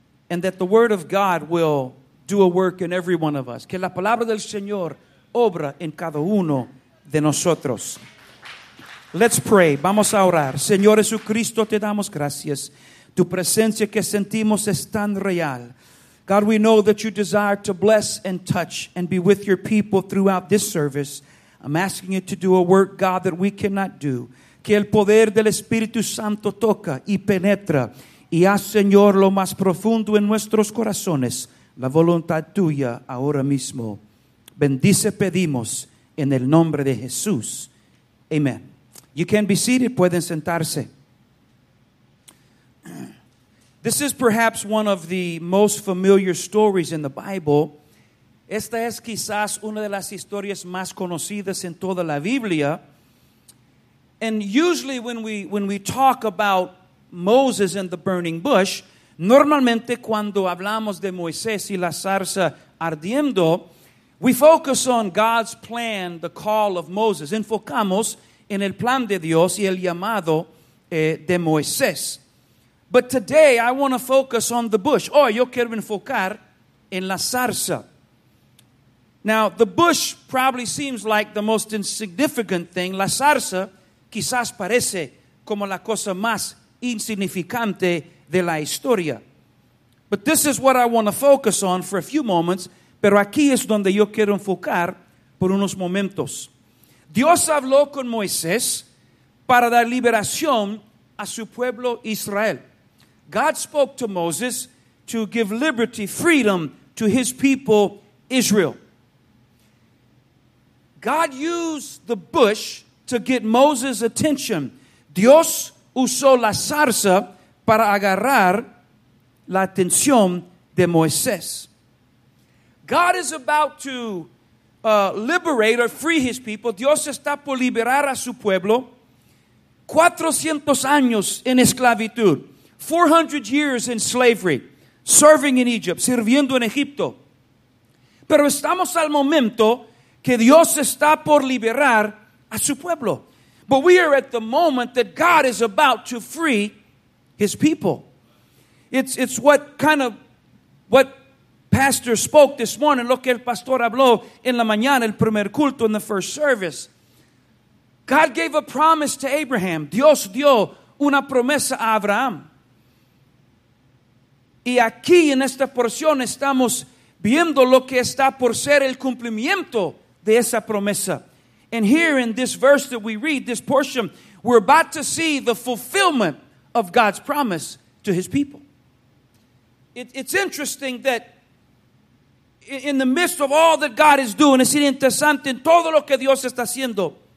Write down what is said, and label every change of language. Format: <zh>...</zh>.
<en>And that the word of God will do a work in every one of us.</en> <es>Que la palabra del Señor obra en cada uno de nosotros.</es> <en>Let's pray.</en> <es>Vamos a orar. Señor Jesucristo, te damos gracias. Tu presencia que sentimos es tan real.</es> <en>God, we know that you desire to bless and touch and be with your people throughout this service. I'm asking you to do a work, God, that we cannot do.</en> <es>Que el poder del Espíritu Santo toca y penetra y haz, Señor, lo más profundo en nuestros corazones, la voluntad tuya ahora mismo. Bendice, pedimos, en el nombre de Jesús. Amen.</es> <en>You can be seated.</en> <es>Pueden sentarse.</es> <en>This is perhaps one of the most familiar stories in the Bible.</en> <es>Esta es quizás una de las historias más conocidas en toda la Biblia.</es> <en>And usually when we talk about Moses and the burning bush,</en> <es>normalmente cuando hablamos de Moisés y la zarza ardiendo,</es> <en>we focus on God's plan, the call of Moses.</en> <es>Enfocamos en el plan de Dios y el llamado de Moisés.</es> <en>But today, I want to focus on the bush.</en> <es>Hoy, yo quiero enfocar en la zarza.</es> <en>Now, the bush probably seems like the most insignificant thing.</en> <es>La zarza quizás parece como la cosa más insignificante de la historia.</es> <en>But this is what I want to focus on for a few moments.</en> <es>Pero aquí es donde yo quiero enfocar por unos momentos. Dios habló con Moisés para dar liberación a su pueblo Israel.</es> <en>God spoke to Moses to give liberty, freedom to his people, Israel. God used the bush to get Moses' attention.</en> <es>Dios usó la zarza para agarrar la atención de Moisés.</es> <en>God is about to liberate or free his people.</en> <es>Dios está por liberar a su pueblo. 400 años en esclavitud.</es> <en>400 years in slavery, serving in Egypt,</en> <es>sirviendo en Egipto. Pero estamos al momento que Dios está por liberar a su pueblo.</es> <en>But we are at the moment that God is about to free his people. It's what kind of, what pastor spoke this morning,</en> <es>lo que el pastor habló en la mañana, el primer culto</es> <en>in the first service. God gave a promise to Abraham.</en> <es>Dios dio una promesa a Abraham. Y aquí en esta porción estamos viendo lo que está por ser el cumplimiento de esa promesa.</es> <en>And here in this verse that we read, this portion, we're about to see the fulfillment of God's promise to his people. It's interesting that in the midst of all that God is doing,</en> <es>es interesante en todo lo que Dios está haciendo.</es>